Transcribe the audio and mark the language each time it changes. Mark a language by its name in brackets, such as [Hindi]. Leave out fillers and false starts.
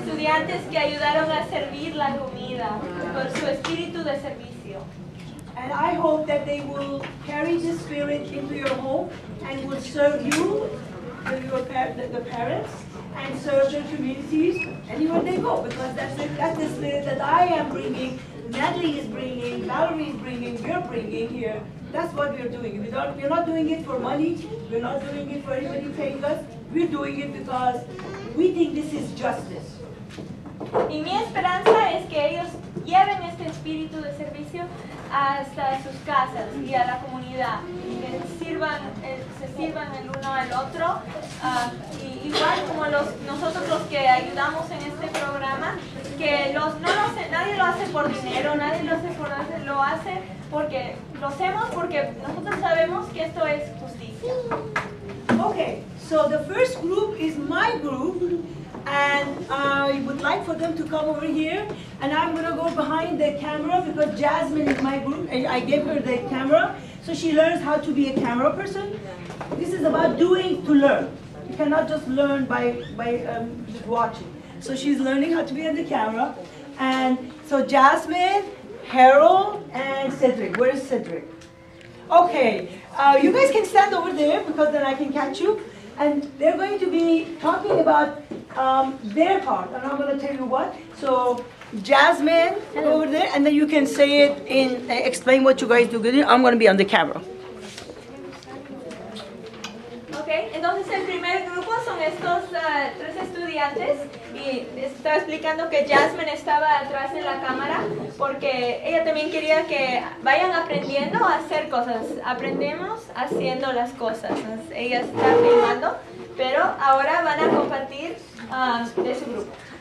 [Spanish] Antes que ayudaron a servir la comida con su espíritu de servicio. [English] And I hope that they will carry the spirit into your home and will serve you, the parents, and serve your communities anywhere they go, because that's the spirit that I am bringing, Natalie is bringing, Valerie is bringing, we're bringing here. That's what we're doing. We're not doing it for money, we're not doing it for anybody paying us, we're doing it because we think this is justice. Y mi esperanza es que ellos lleven este espíritu de servicio hasta sus casas y a la comunidad, que se sirvan el uno al otro, igual como nosotros los que ayudamos en este programa, que nadie lo hace por dinero, nadie lo hace por nada, lo hace porque lo hacemos porque nosotros sabemos que esto es justicia. Okay, so the first group is my group. And I would like for them to come over here, and I'm going to go behind the camera because Jasmine is my group, and I gave her the camera, so she learns how to be a camera person. This is about doing to learn. You cannot just learn by just watching. So she's learning how to be on the camera. And so Jasmine, Harold, and Cedric. Where is Cedric? Okay, you guys can stand over there because then I can catch you. And they're going to be talking about their part, and I'm going to tell you what. So, Jasmine, hello. Over there, and then you can say it in explain what you guys do. I'm going to be on the camera. Okay, [Spanish] Okay, entonces el primer grupo son estos tres estudiantes y estaba explicando que Jasmine estaba atrás en la cámara porque ella también quería que vayan aprendiendo a hacer cosas. Aprendemos haciendo las cosas. Entonces, ella está filmando, pero ahora van a compartir de su grupo.